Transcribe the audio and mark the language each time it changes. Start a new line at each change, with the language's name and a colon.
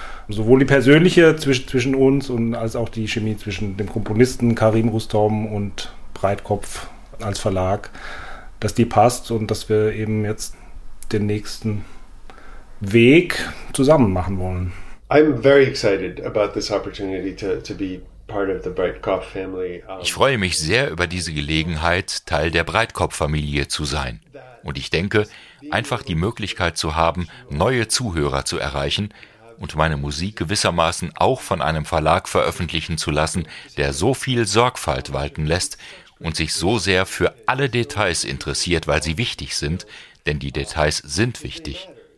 German: Sowohl die persönliche zwischen uns und als auch die Chemie zwischen dem Komponisten Karim Rustom und Breitkopf als Verlag, dass die passt und dass wir eben jetzt den nächsten Weg zusammen machen wollen.
English: I'm very excited about this opportunity to be part of the Breitkopf family.
German: Ich freue mich sehr über diese Gelegenheit, Teil der Breitkopf-Familie zu sein. Und ich denke, einfach die Möglichkeit zu haben, neue Zuhörer zu erreichen und meine Musik gewissermaßen auch von einem Verlag veröffentlichen zu lassen, der so viel Sorgfalt walten lässt und sich so sehr für alle Details interessiert, weil sie wichtig sind, denn die Details sind wichtig.